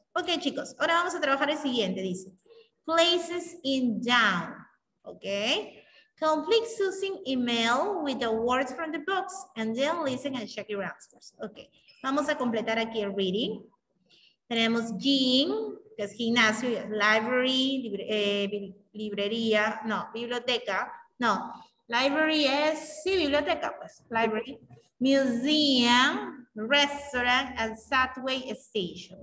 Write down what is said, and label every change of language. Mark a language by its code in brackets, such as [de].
[es] Okay, chicos, ahora vamos a trabajar el siguiente, dice. [en] Places in down. Okay. Complete Susan email with the words from the books and then listen and check your answers. [es] Okay. Vamos a completar aquí el reading. Tenemos gym, que es gimnasio, library, librería, no, biblioteca. No, library es, sí, biblioteca, pues, library. [en] Museum, restaurant, and subway station.